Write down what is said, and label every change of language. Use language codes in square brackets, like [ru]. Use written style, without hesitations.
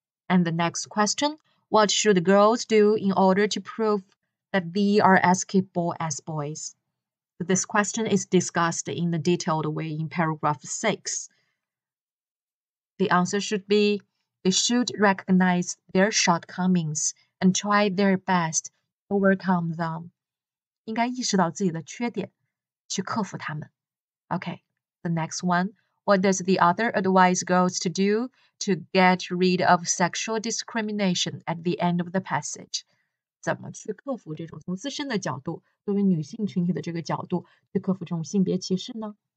[en] And the next question, what should girls do in order to prove that they are as capable as boys? This question is discussed in a detailed way in paragraph 6. The answer should be,They should recognize their shortcomings and try their best to overcome them. [zh] 应该意识到自己的缺点，去克服它们。 [en] Okay, the next one. What does the author advise girls to do to get rid of sexual discrimination at the end of the passage? [zh] 怎么去克服这种从自身的角度，作为女性群体的这个角度，去克服这种性别歧视呢？